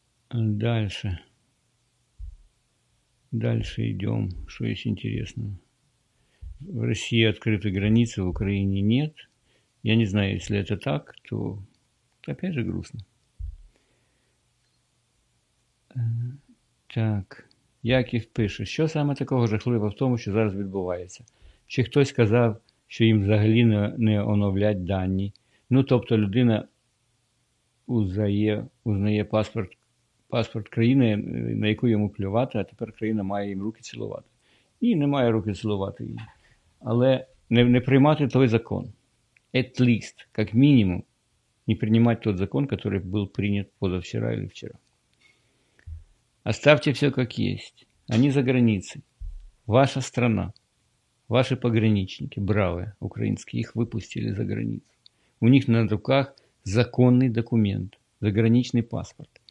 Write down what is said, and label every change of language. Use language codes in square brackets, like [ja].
[ru] Дальше. Дальше идем. Что есть интересного? В России открыты границы, в Украине нет. Я не знаю, если это так, то опять же грустно. Так. [uk] Яків пише, що саме такого жахливого в тому, що зараз відбувається? Чи хтось сказав, що їм взагалі не оновлять дані? Ну, тобто людина узнає паспорт країни, на яку йому плювати, а тепер країна має їм руки цілувати. Ні, не має руки цілувати їм. Але не приймати той закон. [en] At least, [uk] як мінімум, не приймати той закон, який був прийнятий позавчора або вчора. [ru] Оставьте все как есть. Они за границей. Ваша страна, ваши пограничники, бравые украинские, их выпустили за границу. У них на руках законный документ, заграничный паспорт.